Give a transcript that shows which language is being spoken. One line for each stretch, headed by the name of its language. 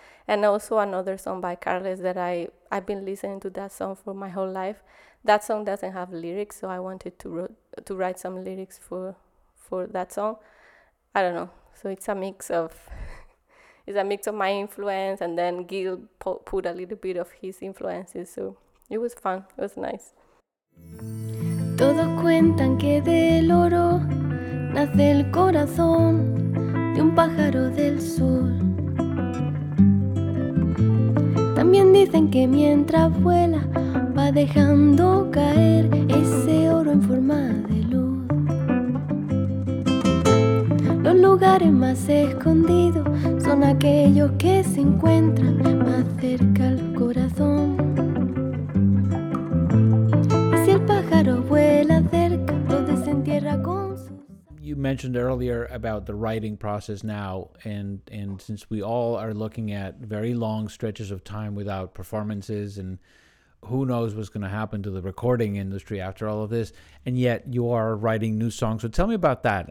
English: And also another song by Carles that I've been listening to that song for my whole life. That song doesn't have lyrics, so I wanted to write some lyrics for that song. I don't know. So it's a mix of my influence, and then Gil put a little bit of his influences. So it was fun. It was nice.
Spanish: Todos cuentan que del oro nace el corazón de un pájaro del sur. También dicen que mientras vuela va dejando caer ese oro en forma de luz. Los lugares más escondidos son aquellos que se encuentran más cerca al corazón. Y si el pájaro vuela cerca, lo desentierra con su...
English: You mentioned earlier about the writing process now, and since we all are looking at very long stretches of time without performances, and who knows what's going to happen to the recording industry after all of this, and yet you are writing new songs. So tell me about that.